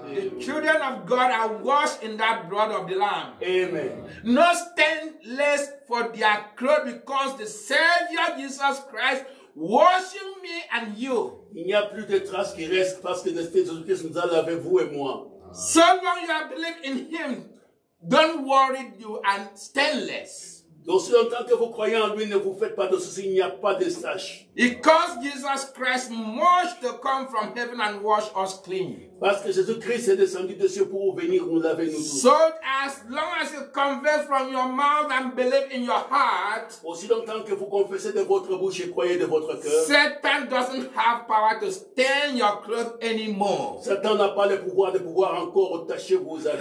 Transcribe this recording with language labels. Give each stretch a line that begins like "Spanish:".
English: The children of God are washed in that blood of the Lamb. Amen. No stainless for their clothes, because the Savior Jesus Christ washing me and you.
French: Il n'y a plus de traces qui restent parce que le Seigneur Jésus Christ nous a lavé vous et moi.
English: So long you have believed in Him, don't worry you and stainless.
French: Donc, si longtemps que vous croyez en lui, ne vous faites pas de soucis, il n'y a pas de sache.
English: Because Jesus Christ must to come from heaven and wash us clean.
French: Parce que Jésus Christ est descendu de ciel pour venir nous laver nous tous.
English: So as long as you confess from your mouth and believe in your heart.
French: Aussi longtemps que vous confessez de votre bouche et croyez de votre cœur.
English: Satan doesn't have power to stain your clothes anymore.
French: Satan n'a pas le pouvoir de pouvoir encore tacher vos habits.